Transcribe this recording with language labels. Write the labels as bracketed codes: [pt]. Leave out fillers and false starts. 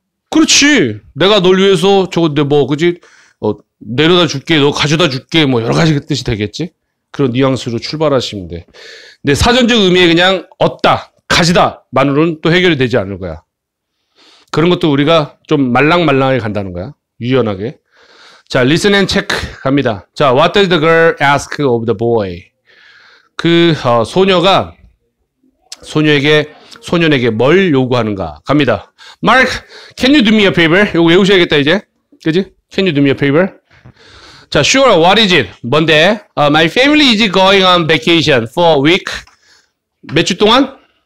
[ko] 그렇지. 내가 널 위해서 저거 내 뭐 그지 어, 내려다 줄게, 너 가져다 줄게, 뭐 여러 가지 뜻이 되겠지. 그런 뉘앙스로 출발하시면 돼. 근데 사전적 의미에 그냥 얻다, 가지다만으로는 또 해결이 되지 않을 거야. 그런 것도 우리가 좀 말랑말랑하게 간다는 거야. 유연하게. 자, [en] listen and check [ko] 갑니다. [en] 자, what did the girl ask of the boy? [ko] 그 소녀가 소년에게 뭘 요구하는가? 갑니다. [en] Mark, can you do me a favor? [ko] 이거 외우셔야겠다, 이제. 그지? [en] Can you do me a favor? 자, sure, what is it? [ko] 뭔데? [en] My family is going on vacation for a week. [ko] 몇 주 동안?